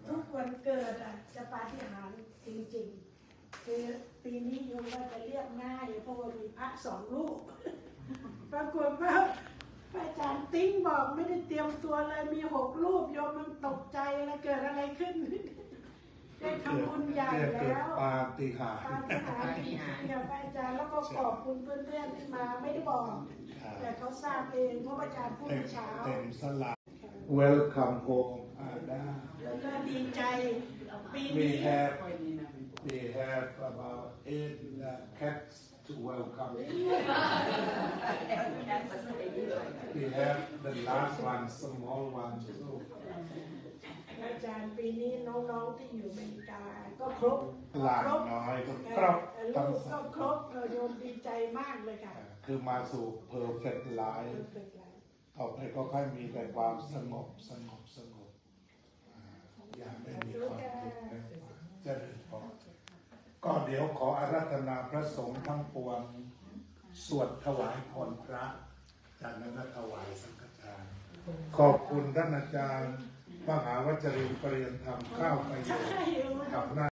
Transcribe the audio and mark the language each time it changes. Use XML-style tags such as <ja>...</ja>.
<th>ทุกวันเกิดอ่ะจะปาฏิหาริย์จริงๆคือปีนี้โยมก็จะเรียกง่ายเพราะว่ามีพระสองลูกปรากฏว่าอาจารย์ติ้งบอกไม่ได้เตรียมตัวเลยมี6รูปโยมมันตกใจแล้วเกิดอะไรขึ้นได้ทำบุญใหญ่แล้ว ปาฏิหาริย์ ปาฏิหาริย์อย่างอาจารย์แล้วก็ขอบคุณเพื่อนๆที่มาไม่ได้บอกแต่เขาทราบเองเพราะอาจารย์พูดเช้า เต็มสลับ</th> <en>Welcome home</en> <th>อาดา ก็ดีใจปีนี้</th> <en>we have about 8 catsTo welcome. We have the last one, small one too.</en> <th>อาจารย์ปีนี้น้องๆที่อยู่อเมริกาก็ครบ หลานน้อยครบ ลูกก็ครบเราโยมดีใจมากเลยค่ะ คือมาสู่</th> <en>perfect life</en> <th>ต่อไปก็ค่อยมีแต่ความสงบสงบสงบอย่าไม่มีความคิดเจริญพรก็เดี๋ยวขออาราธนาพระสงฆ์ทั้งปวงสวดถวายพรพระจากนั้นถวายสังฆทานขอบคุณท่านอาจารย์มหาวัจรินทร์ปริยัติธรรมข้าวประโยชน์กับหน้า</th>